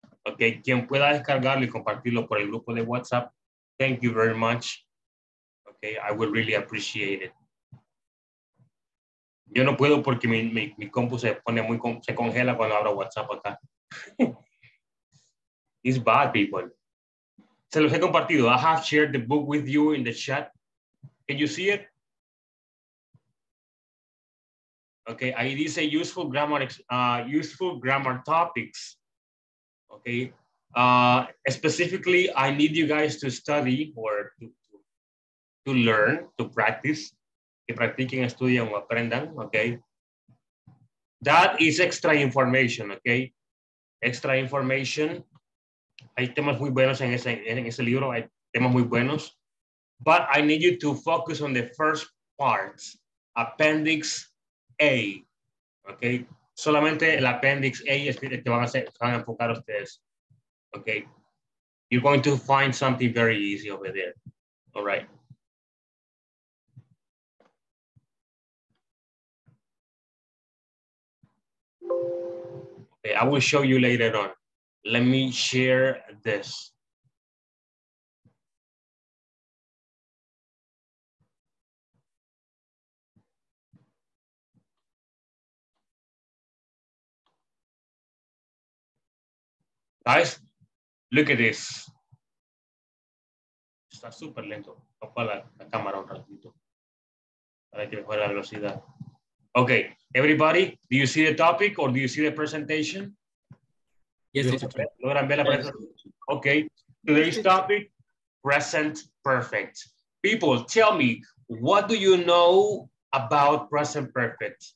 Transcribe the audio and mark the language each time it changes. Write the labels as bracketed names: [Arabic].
[Spanish] Okay, quien pueda descargarlo y compartirlo por el grupo de WhatsApp. [English] Thank you very much. Okay, I will really appreciate it. [Spanish] Yo no puedo porque mi compu se congela cuando abro WhatsApp acá. [English] It's bad, people. [Spanish] Se los he compartido. [English] I have shared the book with you in the chat. Can you see it? [Spanish] Okay, ahí dice useful grammar topics. [English] Okay, specifically, I need you guys to study or to learn, to practice. [Spanish] Que practiquen, estudien, o aprendan, okay? [English] That is extra information, okay? Extra information. [Spanish] Hay temas muy buenos en ese libro, hay temas muy buenos. [English] But I need you to focus on the first part, Appendix A, okay? [Spanish] Solamente el Appendix A es el que van a enfocar ustedes, okay? [English] You're going to find something very easy over there, all right? Okay, I will show you later on. Let me share this. Guys, look at this. [Spanish] Está super lento. Apaga la cámara un ratito para que mejore la velocidad. [English] Okay, everybody, do you see the topic or do you see the presentation? Yes, [Spanish] ¿logran ver la presentación? [English] Okay, today's topic, present perfect. People, tell me, what do you know about present perfect?